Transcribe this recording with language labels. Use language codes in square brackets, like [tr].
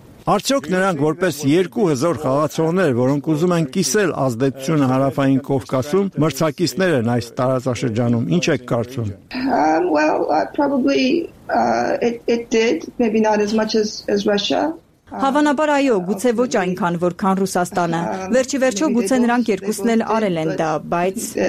[hy] Արդյոք նրանք, որպես երկու հզոր խաղացողներ, որոնք ուզում են կիսել ազդեցությունը Հարավային Կովկասում, մրցակիցներ են այս տարածաշրջանում, ինչ եք կարծում։ [en] Well, probably it did, maybe not as much as Russia. [hy] Հավանաբար այո, գուցե ոչ այնքան, որքան Ռուսաստանը։ Վերջիվերջո գուցե նրանք երկուսն էլ արել են դա, բայց